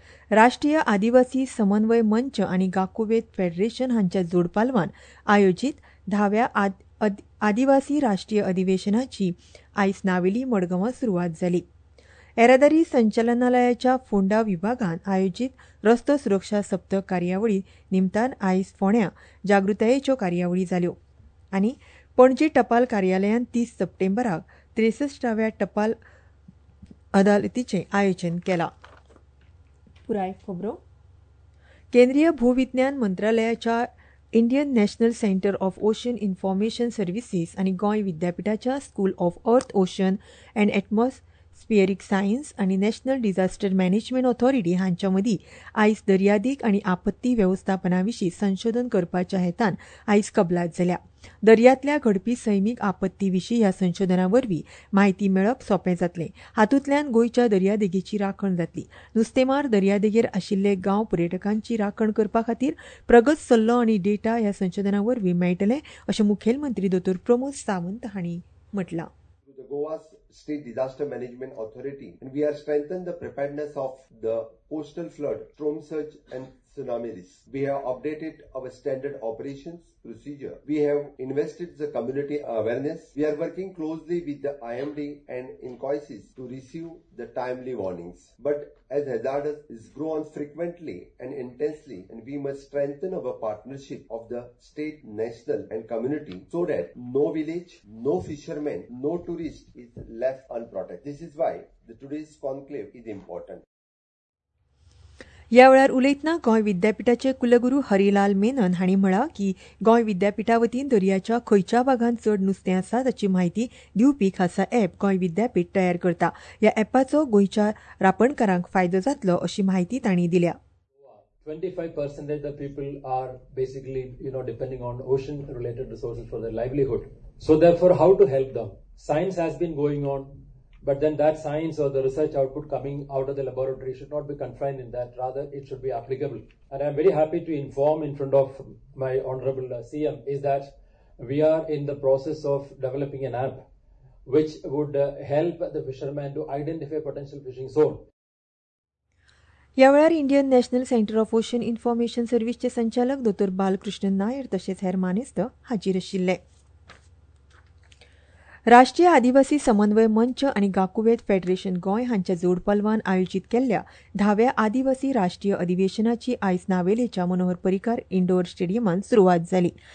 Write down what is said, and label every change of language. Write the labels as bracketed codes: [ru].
[gom] राष्ट्रीय आदिवासी समन्वय मंच आणि गाकुवेत फेडरेशन हांच्या जोडपालवान आयोजित 10व्या आदिवासी राष्ट्रीय अधिवेशनाची आयज नावेली मडगांवां सुरवात जाली. येरादारी संचालनालयाच्या फोंडा विभागान आयोजित रस्तो सुरक्षा सप्तक कार्यावळी निमतान आयज फोंड्यां जागृतायेच्यो कार्यावळी जाल्यो. आनी पणजे टपाल कार्यालयान 30 सप्टेंबराक 63व्या टपाल अदालतीचें आयोजन केलां. केंद्रीय भूविज्ञान मंत्रालयाच्या Indian national centre of ocean information services आणि गोंय विद्यापीठाच्या school of earth ocean and ॲटमॉस्फियरीक science आणि नॅशनल डिझास्टर मॅनेजमेंट ऑथॉरिटी हांच्या मदीं आयज दर्यादीग आणि आपत्ती व्यवस्थापनाविशीं संशोधन करपाच्या हेतान आयज कबलात जाल्या. दर्यातल्या घडपी सैमीक आपत्तीविशीं ह्या संशोधनावरवीं म्हायती मेळप सोपें जातलें. हातूंतल्यान गोंयच्या दर्यादेगेची राखण जातली. नुस्तेमार दर्यादेगेर आशिल्ले गांव पर्यटकांची राखण करपा खातीर प्रगत सल्लो आनी डेटा ह्या संशोधनावरवीं मेळटलें अशें मुखेलमंत्री दोतोर प्रमोद सावंत हांणी म्हटलां. [en] State Disaster Management Authority, and we are strengthened the preparedness of the coastal flood, storm surge and tsunami risk. We have updated our standard operations procedure. We have invested the community awareness. We are working closely with the IMD and Incoisis to receive the timely warnings. But as hazards is grown frequently and intensely, and we must strengthen our partnership of the state, national and community so that no village, no fisherman, no tourist is left unprotected. This is why the today's conclave is important. [gom] ह्या वेळार उलयतना गोंय विद्यापीठाचे कुलगुरू हरिलाल मेनन हांणी म्हळां की गोंय विद्यापीठा वतीन दर्याच्या खंयच्या भागांत चड नुस्तें आसा ताची म्हायती दिवपी खासा एप गोंय विद्यापीठ तयार करता. ह्या एपाचो गोंयच्या रापणकारांक फायदो जातलो अशी म्हायती तांणी दिल्या. [en] 25% of the people are basically, you know, depending on ocean related resources for their livelihood. So therefore, how to help them? Science has been going on. But then that science or the research output coming out of the laboratory should not be confined in that. Rather, it should be applicable. And I am very happy to inform in front of my Honorable CM is that we are in the process of developing an app which would help the fishermen to identify potential fishing zone. [gom] या वेळार Indian national centre of ocean information सर्विसचे संचालक दोतोर बालकृष्ण नायर तशेंच हेर मानेस्त हाजीर आशिल्ले. राष्ट्रीय आदिवासी समन्वय मंच आणि गाकुवेत फेडरेशन गोंय हांच्या जोडपालवान आयोजित केल्ल्या 10व्या आदिवासी राष्ट्रीय अधिवेशनाची आयज नावेलेच्या मनोहर परिकार इंडोर स्टेडियमांत सुरवात जाली.